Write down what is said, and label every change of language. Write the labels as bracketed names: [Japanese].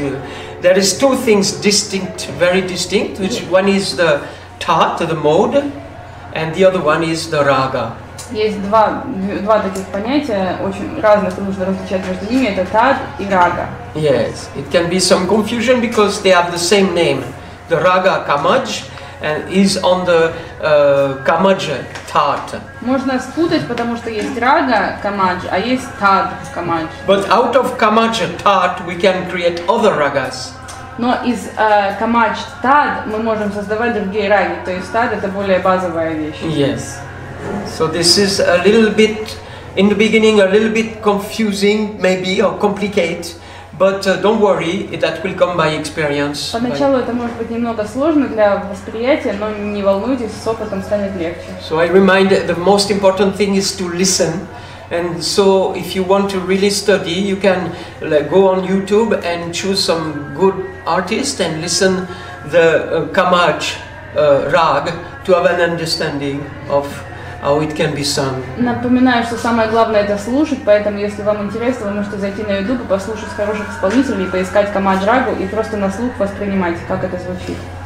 [English] You, there is two things distinct, very distinct. Which one is the tat, the mode, and the other one is the raga. [Russian] Есть два таких понятия очень разных, нужно различать между ними. Это tat и raga. [English] Yes, it can be some confusion because they have the same name, the raga kamaj. And is on the kamaja tat. [Russian] Можно спутать, потому что есть рага камадж, а есть тад камадж. [English] But out of kamaja tat, we can create other ragas. [Russian] Но из камадж тад мы можем создавать другие раги. То есть тад это более базовая вещь. [English] Yes. So this is a little bit in the beginning, a little bit confusing, maybe or complicated. But don't worry, that will come by experience. [Russian] Поначалу это может быть немного сложно для восприятия, но не волнуйтесь, с опытом станет легче. [English] So I remind the most important thing is to listen. And so if you want to really study, you can like, go on YouTube and choose some good artist and listen the kamaj rag to have an understanding of how it can be sung. [Russian] Напоминаю, что самое главное это слушать, поэтому если вам интересно, вы можете зайти на YouTube и послушать хороших исполнителей, поискать камадж рагу и просто на слух воспринимать, как это звучит.